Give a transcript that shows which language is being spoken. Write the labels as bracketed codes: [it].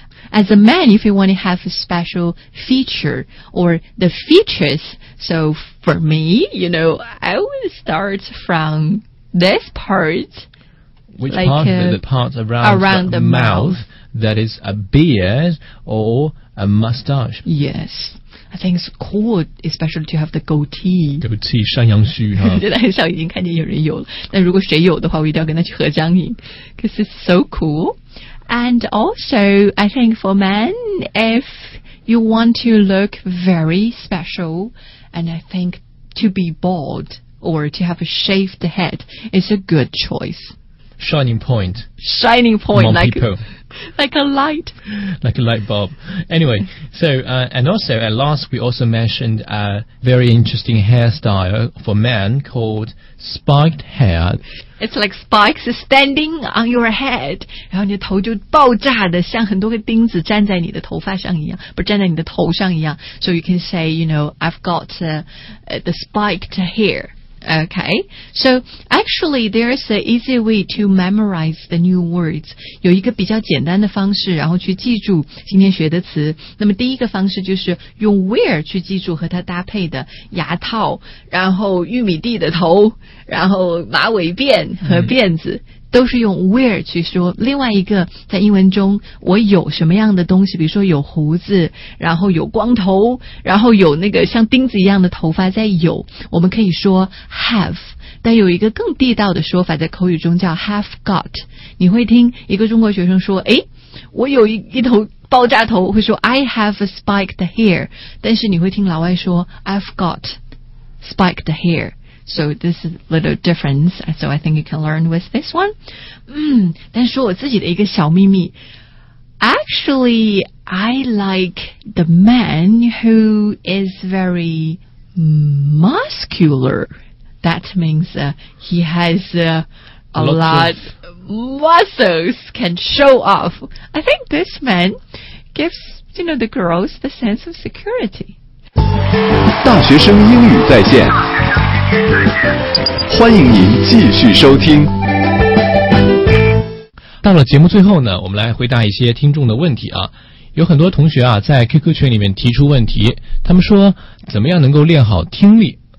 [en] As a man, if you want to have a special feature or the features, so for me, you know, I would start from this part. Which, like, part? The part around the mouth. That is a beard or a mustache. Yes. I think it's cool, especially to have the goatee. [zh] Goatee, 山羊须哈。现在很少已经看见有人有了。但如果谁有的话，我一定要跟他去合张影。 [en] Because it's so cool. And also, I think for men, if you want to look very special, and I think to be bald or to have a shaved head is a good choice. Shining point. Shining point. Among like, people. Like a light. Like a light bulb. Anyway, so, and also at last, we also mentioned a very interesting hairstyle for men called spiked hair. It's like spikes standing on your head. [zh] 然后你的头就爆炸的像很多个钉子站在你的头发上一样，不是站在你的头上一样。 [en] So you can say, you know, I've got the spiked hair. Okay. So actually, there is an easy way to memorize the new words. [zh] 有一个比较简单的方式然后去记住今天学的词。那么第一个方式就是用 wear 去记住和它搭配的牙套，然后玉米地的头，然后马尾辫和辫子，都是用 wear 去说。另外一个在英文中我有什么样的东西，比如说有胡子，然后有光头，然后有那个像钉子一样的头发，在有我们可以说 have， 但有一个更地道的说法在口语中叫 have got。你会听一个中国学生说，诶，我有 一头爆炸头，会说 [en] I have a spiked hair， [zh] 但是你会听老外说 [en] I've got spiked hair， So this is a little difference. So I think you can learn with this one. [zh] 但说我自己的一个小秘密。 [en] Actually, I like the man who is very muscular. That means he has a lot of muscles, can show off. I think this man gives, you know, the girls the sense of security. [zh] 大学生英语在线，欢迎您继续收听。到了节目最后呢，我们来回答一些听众的问题啊。有很多同学啊，在 QQ 群里面提出问题，他们说怎么样能够练好听力？